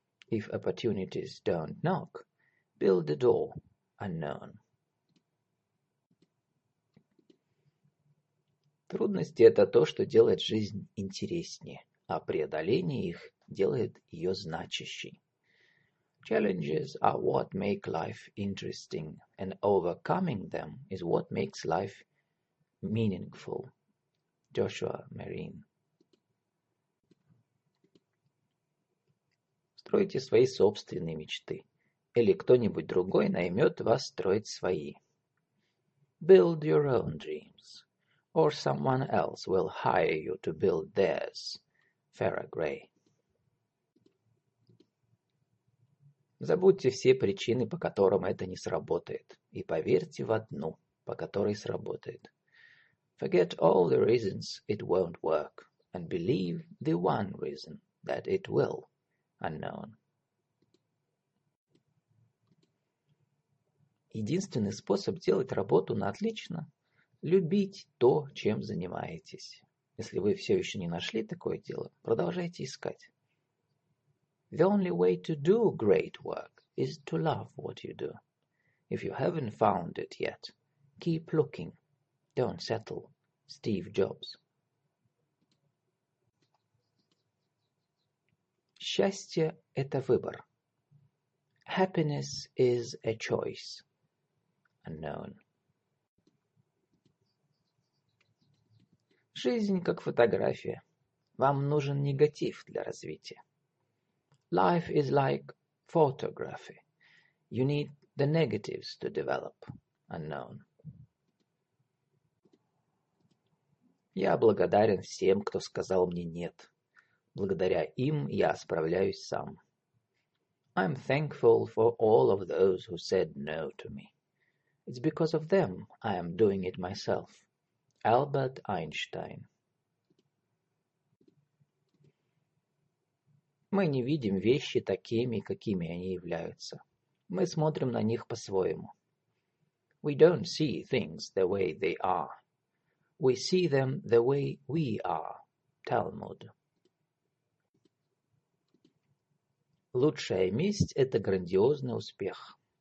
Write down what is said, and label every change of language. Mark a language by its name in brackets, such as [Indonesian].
[English] If opportunities don't knock, build a door. Unknown. [Russian] Трудности – это то, что делает жизнь интереснее, а преодоление их делает ее значащей. [English] Challenges are what make life interesting, and overcoming them is what makes life meaningful. Joshua Marine. С [Russian] строите свои собственные мечты. Или кто-нибудь другой наймет вас строить свои. [English] Build your own dreams. Or someone else will hire you to build theirs. [Russian] Фара Грей. Забудьте все причины, по которым это не сработает. И поверьте в одну, по которой сработает. [English] Forget all the reasons it won't work. And believe the one reason that it will. Unknown. [Russian] Единственный способ делать работу на отлично – любить то, чем занимаетесь. Если вы все еще не нашли такое дело, продолжайте искать. [English] The only way to do great work is to love what you do. If you haven't found it yet, keep looking. Don't settle. Steve Jobs. [Russian] Счастье – это выбор. [English] Happiness is a choice. Unknown. [Russian] Жизнь как фотография. Вам нужен негатив для развития. [English] Life is like photography. You need the negatives to develop. Unknown. [Russian] Я благодарен всем, кто сказал мне нет. Благодаря им я справляюсь сам. [English] I'm thankful for all of those who said no to me. It's because of them I am doing it myself. Albert Einstein. [Russian] Мы не видим вещи такими, какими они являются. Мы смотрим на них по-своему. [English] We don't see things the way they are. We see them the way we are. Talmud. [Russian] Лучшая месть – это грандиозный успех.